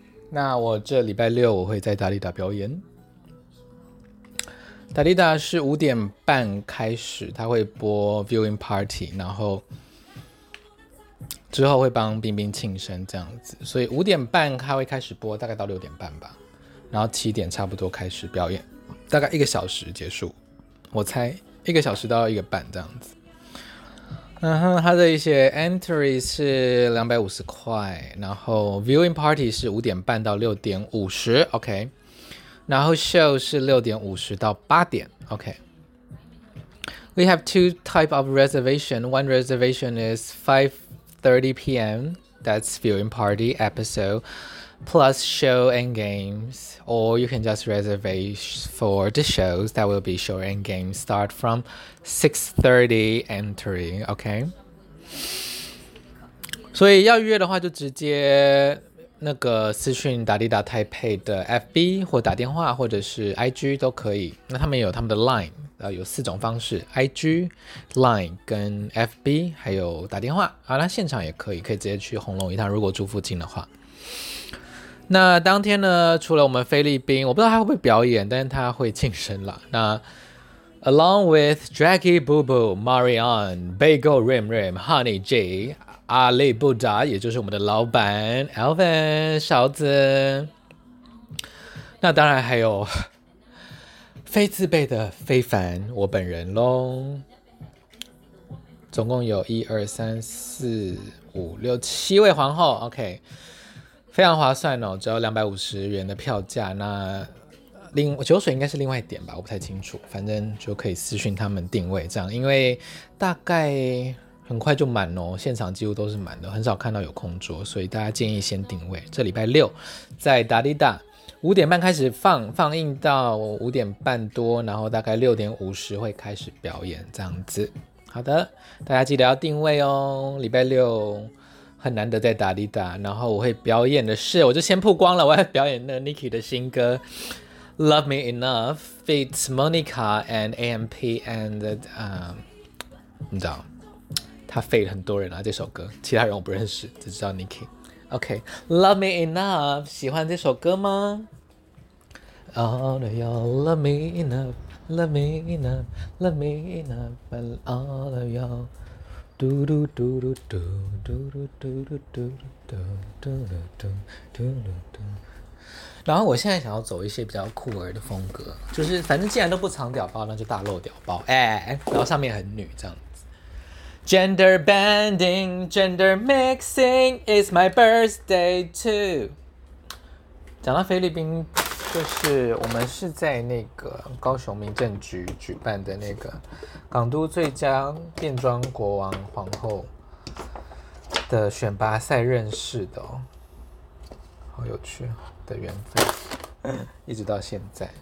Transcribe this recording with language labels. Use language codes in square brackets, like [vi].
[zh] 那我这礼拜六我会在达利达表演，达利达是5点半开始，他会播 viewing party， 然后之后会帮冰冰庆生这样子，所以5点半他会开始播，大概到6点半吧，然后7点差不多开始表演，大概1个小时结束，我猜1个小时到1个半这样子。然后他的一些 entry 是250块，然后 viewing party 是5点半到6点50 ，OK。然后 show 是6点50到8点 ，OK。 [en] We have two type of reservation. One reservation is 5:30 p.m. That's viewing party episode plus show and games. Or you can just reserve for the shows that will be show and game start from 6:30 entry, okay? [zh] 所以要预约的话就直接那个私讯达利达台北的 FB 或打电话或者是 IG 都可以，那他们有他们的 Line、有4种方式 IG, Line 跟 FB 还有打电话、那现场也可以，可以直接去红龙一趟，如果住附近的话。那当天呢，除了我们菲律宾，我不知道他会不会表演，但是他会庆生了。那 along with Jackie Boo Boo, Marianne, Bagel Rim Rim, Honey J, Ali Buddha， 也就是我们的老板 Elvin 勺子。那当然还有非自备的非凡我本人咯。总共有1、2、3、4、5、6、7位皇后 ，OK。非常划算哦，只有250元的票价，那酒水应该是另外一点吧，我不太清楚，反正就可以私讯他们定位这样，因为大概很快就满哦，现场几乎都是满的，很少看到有空桌，所以大家建议先定位。这礼拜六在达利达5点半开始放映到5点半多，然后大概6点50会开始表演这样子。好的，大家记得要定位哦，礼拜六很难得在达利达，然后我会表演的是，我就先曝光了，我要表演那 Nikki 的新歌 Love Me Enough Feat Monica and AMP and 你知道他 feat 很多人啊，这首歌其他人我不认识，只知道 Nikki。 OK， Love Me Enough， 喜欢这首歌吗？ [en] All of you love me enough, love me enough, love me enough, and all of you嘟嘟嘟嘟嘟嘟嘟嘟嘟嘟嘟嘟嘟嘟嘟嘟嘟嘟。 [zh] 然后我现在想要走一些比较酷儿的风格，就是反正既然都不藏屌包，那就大露屌包，然后上面很女这样子。 [en] Gender bending, gender mixing, it's my birthday too。 [zh] 讲到菲律宾，就是我们是在那个高雄民政局举办的那个港都最佳变装国王皇后的选拔赛认识的哦，好有趣的缘分，一直到现在。